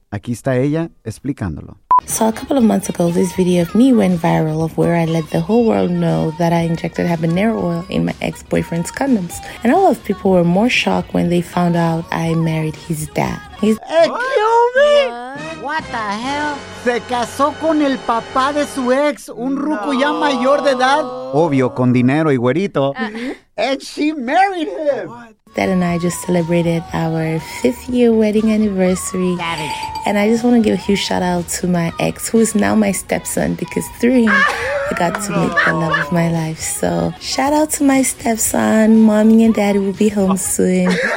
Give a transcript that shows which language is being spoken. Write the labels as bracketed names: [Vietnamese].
[Spanish] Aquí está ella explicándolo. [English] So a couple of months ago, this video of me went viral of where I let the whole world know that I injected habanero oil in my ex-boyfriend's condoms. And a lot of people were more shocked when they found out I married his dad. Hey, kill me! What? What the hell? [Spanish] Se casó con el papá de su ex, un ruco ya mayor de edad. Obvio, con dinero y güerito. [English] And she married him. Dad and I just celebrated our 5th year wedding anniversary. Got it. And I just want to give a huge shout out to my ex, who is now my stepson, because through him, I got to meet the love of my life. So shout out to my stepson. Mommy and daddy will be home soon.